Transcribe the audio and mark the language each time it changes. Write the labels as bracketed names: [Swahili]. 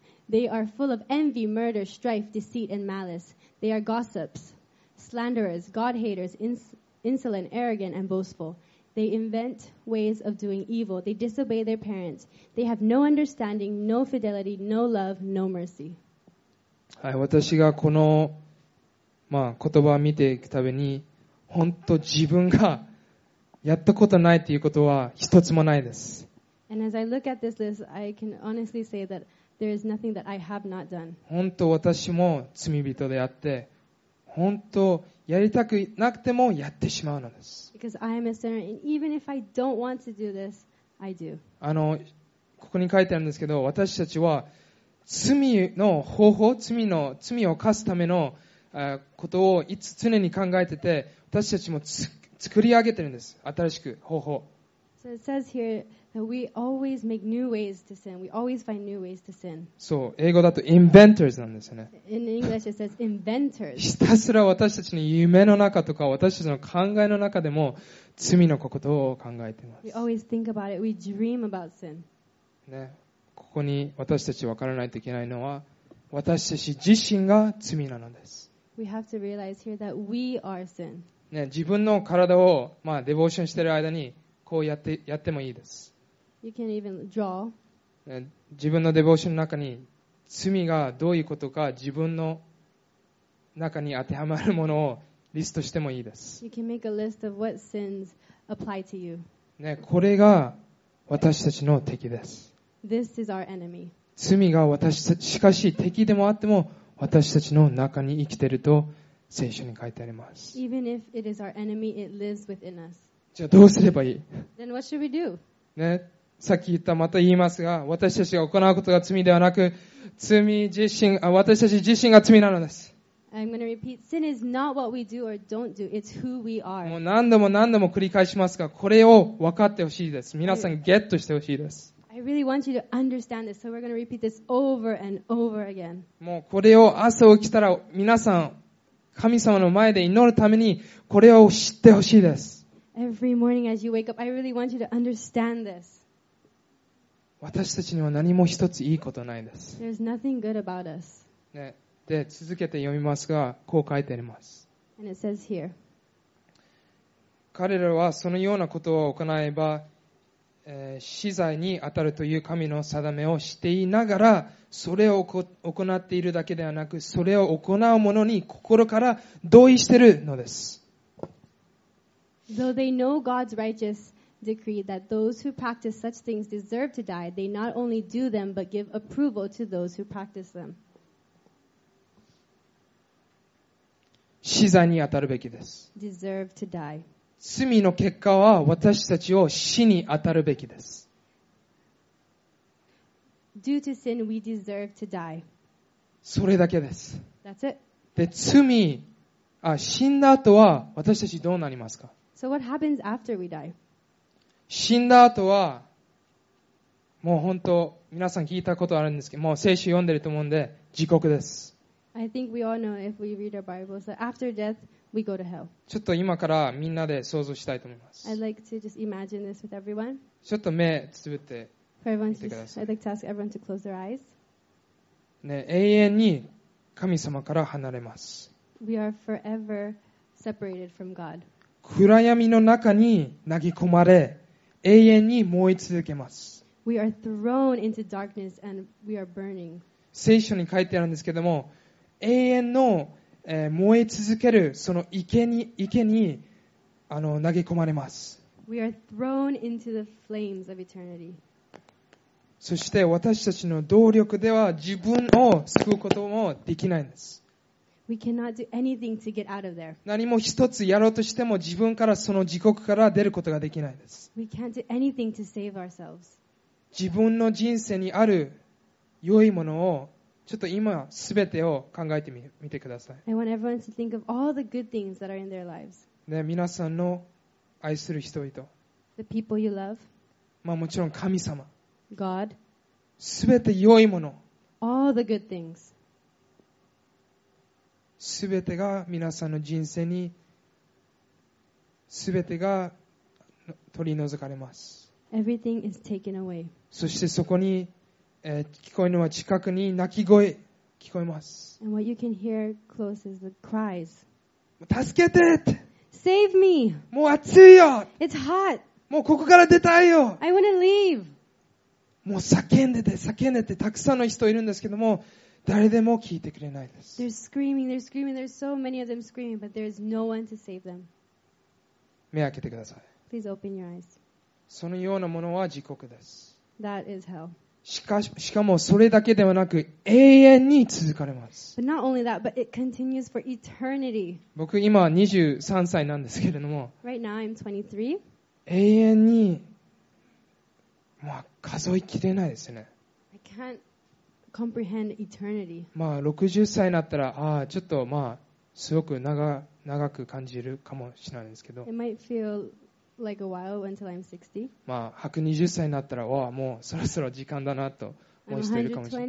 [English] They are full of envy, murder, strife, deceit, and malice. They are gossips, slanderers, God-haters, insolent, arrogant, and boastful. They invent ways of doing evil. They disobey their parents. They have no understanding, no fidelity, no love, no mercy. [Japanese] はい、私がこの、言葉を見ていくたびに、本当自分がやったことないということは一つもないです。 [English] And as I look at this list, I can honestly say that there is nothing that I have not done. [Japanese] 本当私も罪人であって、本当やりたくなくてもやってしまうのです。 [English] Because I am a sinner, and even if I don't want to do this, I do. [Japanese] ここに書いてあるんですけど、私たちは罪の方法、罪を犯すためのことをいつ常に考えてて、私たちも作り上げてるんです。新しく方法。 [English] So it says here that we always make new ways to sin. We always find new ways to sin. [Japanese] そう、英語だと inventors なんですよね。 [English] In English it says inventors. [Japanese] ひたすら私たちの夢の中とか私たちの考えの中でも罪のことを考えています。 [English] We always think about it. We dream about sin. [Japanese] ね、ここに私たち分からないといけないのは私たち自身が罪なのです。 [English] We have to realize here that we are sin. [Japanese] ね、自分の体をデボーションしている間にこうやってもいいです。 [English] You can even draw. [Japanese] 自分のデボーションの中に罪がどういうことか自分の中に当てはまるものをリストしてもいいです。 [English] You can make a list of what sins apply to you. [Japanese] ね、これが私たちの敵です。 [English] This is our enemy. [Japanese] 罪が私たち、しかし敵でもあっても私たちの中に生きていると聖書に書いてあります。 [English] Even if it is our enemy, it lives within us. [Japanese] じゃあどうすればいい [English] Then what should we do?、 [Japanese] ね、さっき言ったまた言いますが私たちが行うことが罪ではなく罪自身私たち自身が罪なのです [English] I'm going to repeat, sin is not what we do or don't do, it's who we are. [Japanese] もう何度も何度も繰り返しますがこれを分かってほしいです皆さんゲットしてほしいです [English] I really want you to understand this, so we're going to repeat this over and over again. [Japanese] もうこれを朝起きたら皆さん神様の前で祈るためにこれを知ってほしいです [English] Every morning as you wake up, I really want you to understand this. [Japanese] 私たちには何も一ついいことないです。 [English] There's nothing good about us.、 [Japanese] ね、で、続けて読みますが、こう書いてあります。 [English] And it says here. [Japanese] 彼らはそのようなことを行えば、死罪に当たるという神の定めをしていながら、それを行っているだけではなく、それを行う者に心から同意しているのです。 [English] Though they know God's righteous decree that those who practice such things deserve to die, they not only do them but give approval to those who practice them. [Japanese] 死罪に当たるべきです。 [English] Deserve to die. [Japanese] 罪の結果は私たちを死に当たるべきです。 [English] Due to sin, we deserve to die. [Japanese] それだけです。 [English] That's it. [Japanese] で、罪、あ、死んだ後は私たちどうなりますか？ [English] So what happens after we die? [Japanese] 死んだ後は、もう本当、皆さん聞いたことあるんですけど、もう聖書読んでると思うんで、地獄です。 [English] I think we all know if we read our Bibles that after death we go to hell. [Japanese] ちょっと今からみんなで想像したいと思います。 [English] I'd like to just imagine this with everyone. [Japanese] ちょっと目つぶってみてください。 [English] I'd like to ask everyone to close their eyes. [Japanese] ね、永遠に神様から離れます。 [English] We are forever separated from God. [Japanese] 暗闇の中に投げ込まれ、永遠に燃え続けます。 [English] We are thrown into darkness and we are burning. [Japanese] 聖書に書いてあるんですけども。永遠の、燃え続けるその池にあの投げ込まれます。 [English] We are thrown into the flames of eternity. [Japanese] そして私たちの動力では自分を救うこともできないんです。 [English] We cannot do anything to get out of there. [Japanese] 何も一つやろうとしても自分からその地獄から出ることができないんです。 [English] We can't do anything to save ourselves. [Japanese] 自分の人生にある良いものをちょっと今すべてを考えてみてください。 [English] I want everyone to think of all the good things that are in their lives. [Japanese] で、皆さんの愛する人々。 [English] The people you love. [Japanese] まあもちろん神様。 [English] God. [Japanese] すべて良いもの。 [English] All the good things. [Japanese] すべてが皆さんの人生にすべてが取り除かれます。 [English] Everything is taken away. [Japanese] そしてそこに聞こえるのは近くに泣き声聞こえます。 [English] And what you can hear close is the cries. [Japanese] 助けて！ [English] Save me! [Japanese] もう暑いよ！ [English] It's hot! [Japanese] もうここから出たいよ！ [English] I wanna leave! [Japanese] もう叫んでてたくさんの人いるんですけども、誰でも聞いてくれないです。 [English] They're screaming, they're screaming, there's so many of them screaming, but there's no one to save them. [Japanese] 目開けてください。 [English] Please open your eyes. [Japanese] そのようなものは地獄です。 [English] That is hell. [Japanese] しかもそれだけではなく永遠に続かれます。 [English] But not only that, but it continues for eternity. [Japanese] 僕今23歳なんですけれども、 [English] right now I'm 23. [Japanese] 永遠に、まあ、数えきれないですね。 [English] I can't comprehend eternity. [Japanese] まあ60歳になったら、ああちょっとまあすごく長く感じるかもしれないですけど。 [English] It might feel... Like、a while until I'm 60. [Japanese] まあ120歳になったら、わあもうそろそろ時間だなと思っているかもしれない。